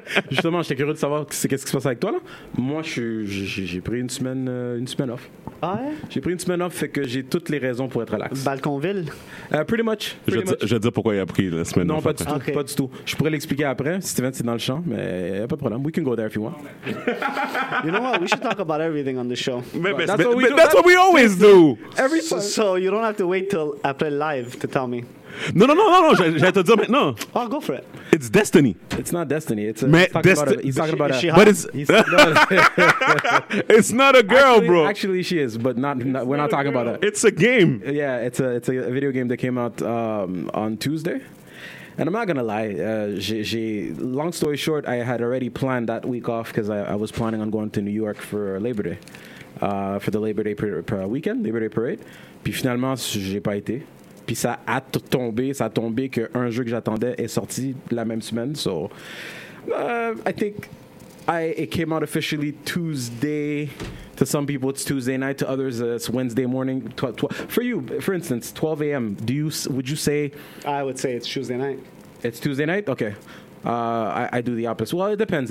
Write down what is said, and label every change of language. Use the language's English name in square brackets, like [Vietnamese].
[French] Justement, j'étais curieux de savoir qu'est-ce qui se passe avec toi, là. Moi, j'ai pris une semaine off. Ah ouais? J'ai pris une semaine off, fait que j'ai toutes les raisons pour être relax. Balconville? [English] Pretty much. [French] Je vais te dire pourquoi il a pris la semaine non, off. Non, pas du tout. Okay. Pas du tout. Je pourrais l'expliquer après. Steven, c'est dans le champ, mais y a pas de problème. [English] We can go there if you want. You know what? We should talk about everything on the show. That's what we always do. Every so you don't have to wait till after live to tell me. Non, j'allais te dire maintenant. Oh, go for it. It's destiny. It's not destiny. It's a, [French] mais [English] he's talking about a... But it's... it's not a girl, actually, bro. Actually, she is, but not we're not talking girl. About it. It's a game. Yeah, it's a video game that came out on Tuesday. And I'm not going to lie. Long story short, I had already planned that week off because I was planning on going to New York for Labor Day. For the Labor Day weekend, Labor Day parade. [French] Puis finalement, j'ai pas été. Puis ça a tombé qu'un jeu que j'attendais est sorti la même semaine. [English] So, I think it came out officially Tuesday. To some people, it's Tuesday night. To others, it's Wednesday morning. For you, for instance, 12 a.m., I would say it's Tuesday night. It's Tuesday night? Okay. I do the opposite. Well, it depends.